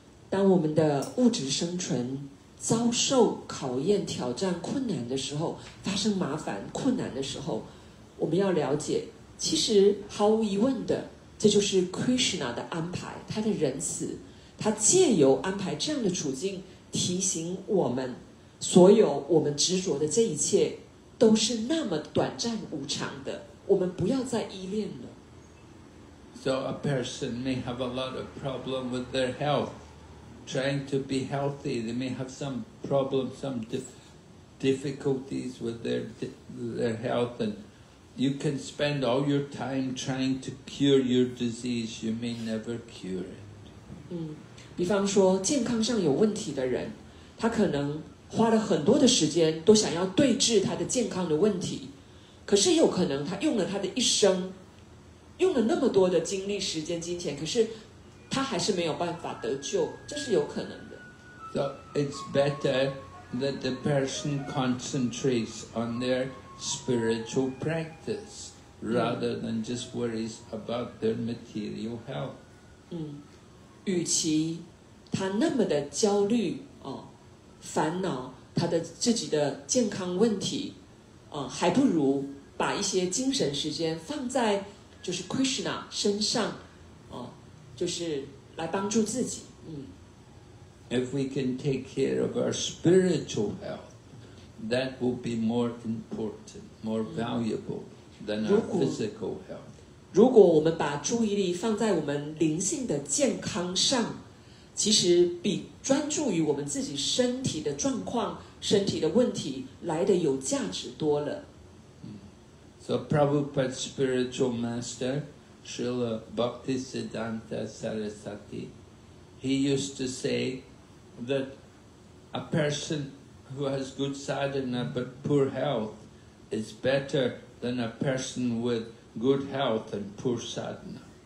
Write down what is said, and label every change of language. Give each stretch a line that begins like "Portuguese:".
Chinese: 当我们的物质生存遭受考验、挑战、困难的时候，发生麻烦、困难的时候，我们要了解，其实毫无疑问的，这就是 Krishna 的安排，他的仁慈，他借由安排这样的处境提醒我们，所有我们执着的这一切都是那么短暂无常的，我们不要再依恋了。
English: So a person may have a lot of problem with their health. Trying to be healthy, they may have some problems, some difficulties with their health. And you can spend all your time trying to cure your disease. You may never cure it.
Chinese: 比方说健康上有问题的人，他可能花了很多的时间都想要对治他的健康的问题，可是有可能他用了他的一生，用了那么多的精力、时间、金钱，可是他还是没有办法得救，这是有可能的。
English: So it's better that the person concentrates on their spiritual practice rather than just worries about their material health.
Chinese: 与其他那么的焦虑、烦恼他的自己的健康问题、还不如把一些精神时间放在就是 Krishna 身上、就是来帮助自己、
English: If we can take care of our spiritual health, that will be more important, more valuable than our physical health.
Chinese: 如果我们把注意力放在我们灵性的健康上，其实比专注于我们自己身体的状况、身体的问题来得有价值多了。
English: So Prabhupada's spiritual master, Srila Bhaktisiddhanta Sarasvati, he used to say that a person who has good sadhana but poor health is better than a person with good health and poor sadhana.